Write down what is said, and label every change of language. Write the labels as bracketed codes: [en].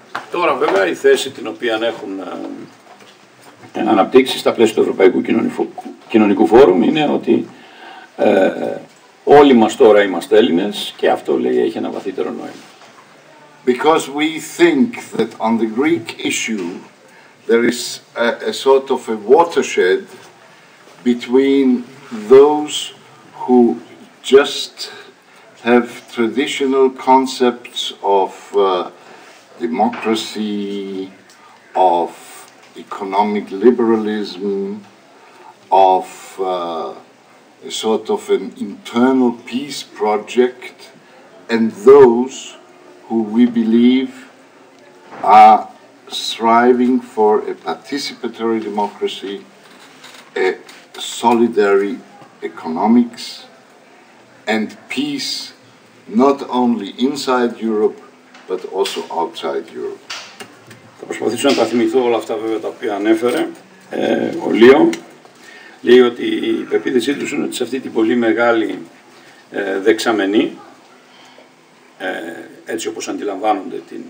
[el] Τώρα βέβαια η θέση την οποία έχουν αναπτύξει στα πλαίσια του Ευρωπαϊκού Κοινωνικού Φόρουμ είναι ότι όλοι μας τώρα είμαστε Έλληνες και αυτό λέει έχει ένα βαθύτερο νόημα. [en] Because we think that on the Greek issue there is a sort of a watershed between those who just have traditional concepts of democracy, of economic liberalism, of a sort of an internal peace project, and those who we believe are striving for a participatory democracy, a solidary economics, and peace not only inside Europe, but also outside Europe. [el] Θα προσπαθήσω να τα θυμηθώ όλα αυτά βέβαια τα οποία ανέφερε ο Λίο. Λέει ότι η πεποίθησή τους είναι ότι σε αυτή την πολύ μεγάλη δεξαμενή, έτσι όπως αντιλαμβάνονται